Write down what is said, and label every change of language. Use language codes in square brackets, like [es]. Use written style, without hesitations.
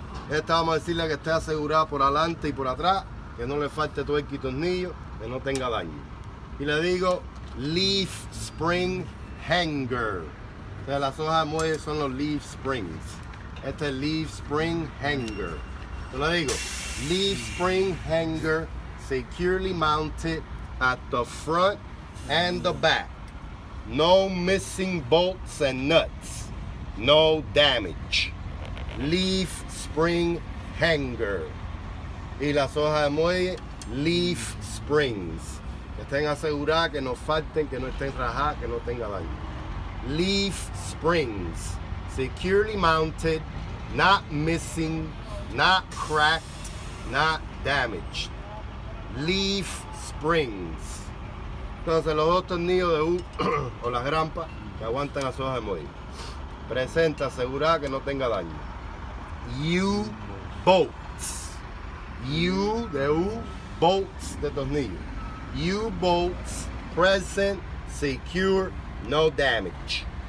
[es] Esta vamos a decirle que esté asegurada por adelante y por atrás, que no le falte tuerca y tornillo, que no tenga daño. Y le digo, leaf spring hanger. Entonces, las hojas de muelle son los leaf springs. Este es leaf spring hanger. Yo le digo, [en] leaf spring hanger securely mounted at the front and the back. No missing bolts and nuts. No damage. [es] Leaf spring hanger. Y las hojas de muelle, leaf springs. Que estén aseguradas, que no falten, que no estén rajadas, que no tenga daño. [en] Leaf springs. Securely mounted, not missing, not cracked, not damaged. Leaf springs. [es] Entonces, los dos tornillos de U o las grampas que aguantan las hojas de muelle. Presenta asegurada que no tenga daño. U-bolts. U de U, bolts de tornillo. [en] U-bolts, present, secure, no damage.